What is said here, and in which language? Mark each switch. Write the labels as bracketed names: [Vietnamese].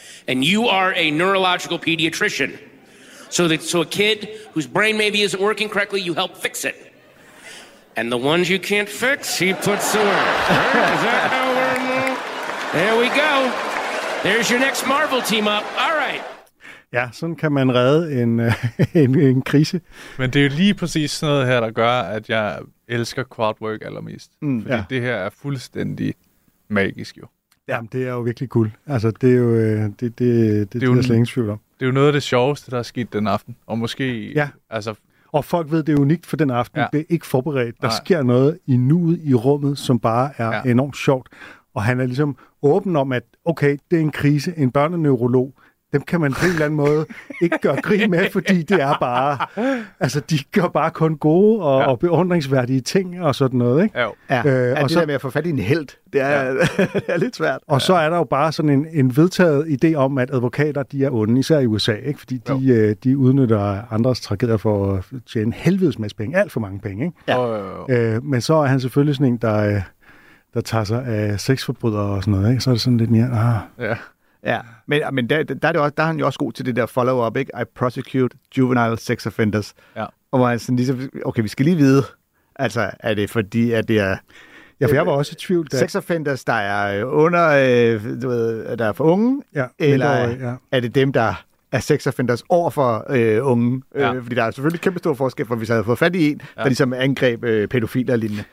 [English] And you are a neurological pediatrician. So a kid whose brain maybe isn't working correctly, you help fix it. And the ones you can't fix, he puts away. Is that how we're moving? There we go. There's your next Marvel team up. All right. [Danish] Ja, sådan kan man redde en krise. Men det er jo lige præcis sådan noget her, der gør, at jeg elsker crowdwork allermest. Mm, fordi det her er fuldstændig magisk jo. Jamen, det er jo virkelig cool. Altså, det er jo det er slet ingen tvivl om. Det er jo noget af det sjoveste, der er sket den aften. Og måske... Ja. Altså, og folk ved, det er unikt for den aften. Ja. Det er ikke forberedt. Der sker noget i nuet i rummet, som bare er enormt sjovt. Og han er ligesom åben om, at okay, det er en krise, en børneneurolog, dem kan man på en eller anden måde ikke gøre grin med, fordi det er bare, altså de gør bare kun gode og beundringsværdige ting og sådan noget, ikke? Og det der med at få fat i en helt, det er, det er lidt svært. Og så er der jo bare sådan en vedtaget idé om, at advokater, de er onde, især i USA, ikke? Fordi de udnytter andres tragedier for at tjene helvedes masse penge, alt for mange penge, ikke? Men så er han selvfølgelig sådan en, der tager sig af sexforbrydere og sådan noget, ikke? Så er det sådan lidt mere, Ja, men der er det også, der er han jo også god til det der follow-up, ikke? [English] I prosecute juvenile sex offenders. [Danish] Ja. Og man er sådan ligesom, okay, vi skal lige vide, altså, er det fordi, at det er Ja, for jeg var også i tvivl. Da... sexoffenders, der er under, du ved, der er for unge, ja, eller er det dem, der er sexoffenders over for unge? Ja. Fordi der er selvfølgelig kæmpe stor forskel, for hvis jeg havde fået fat i en, der ligesom angreb pædofiler og lignende.